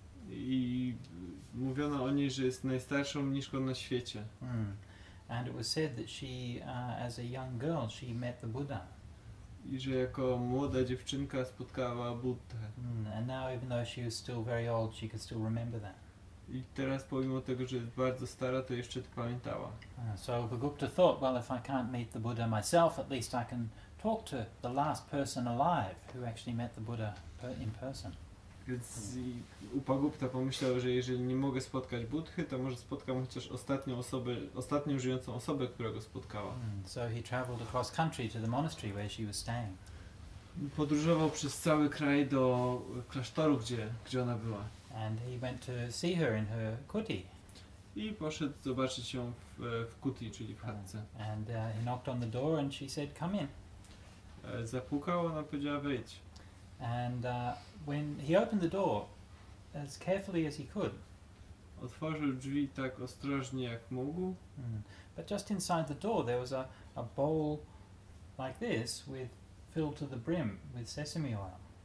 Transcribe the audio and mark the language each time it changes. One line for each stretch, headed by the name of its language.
Polish: I mówiono o niej, że jest najstarszą mniszką na świecie.
English: And it was said that she as a young girl she met the Buddha.
Polish: I że jako młoda dziewczynka spotkała Buddę.
English: And now even though she was still very old she could still remember that.
Polish: I teraz pomimo tego, że jest bardzo stara, to jeszcze to pamiętała.
English: So Bhagupta thought, well, if I can't meet the Buddha myself, at least I can talk to the last person alive who actually met the Buddha in person.
Polish: Więc Bhagupta pomyślał, że jeżeli nie mogę spotkać Buddhy, to może spotkam chociaż ostatnią osobę, ostatnią żyjącą osobę, która go spotkała.
English: So he traveled across country to the monastery where she was staying.
Polish: Podróżował przez cały kraj do klasztoru, gdzie ona była.
English: And he went to see her in her kuti.
Polish: I poszedł zobaczyć ją w kuti, czyli w chatce.
English: And he knocked on the door and she said, come in.
Polish: Zapukał, ona powiedziała, wejdź.
English: And when he opened the door as carefully as he could.
Polish: Otworzył drzwi tak ostrożnie jak mógł.
English: But just inside the door there was a bowl like this with filled to the brim with sesame oil.